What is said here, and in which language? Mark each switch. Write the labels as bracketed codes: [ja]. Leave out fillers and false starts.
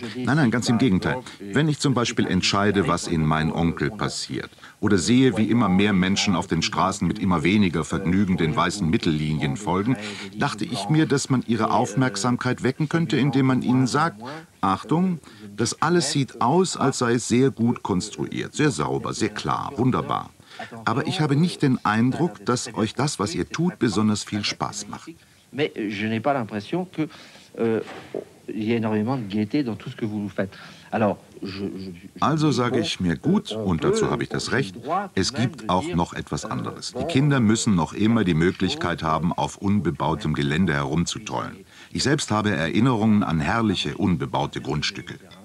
[de] Nein, nein, ganz im Gegenteil. Wenn ich zum Beispiel entscheide, was in Mein Onkel passiert, oder sehe, wie immer mehr Menschen auf den Straßen mit immer weniger Vergnügen den weißen Mittellinien folgen, dachte ich mir, dass man ihre Aufmerksamkeit wecken könnte, indem man ihnen sagt, Achtung, das alles sieht aus, als sei es sehr gut konstruiert, sehr sauber, sehr klar, wunderbar. Aber ich habe nicht den Eindruck, dass euch das, was ihr tut, besonders viel Spaß macht. [fr] Mais je n'ai pas l'impression que il y a énormément de gaieté dans tout ce que vous faites. Alors, [de] also sage ich mir, gut, und dazu habe ich das Recht, es gibt auch noch etwas anderes. Die Kinder müssen noch immer die Möglichkeit haben, auf unbebautem Gelände herumzutollen. Ich selbst habe Erinnerungen an herrliche, unbebaute Grundstücke.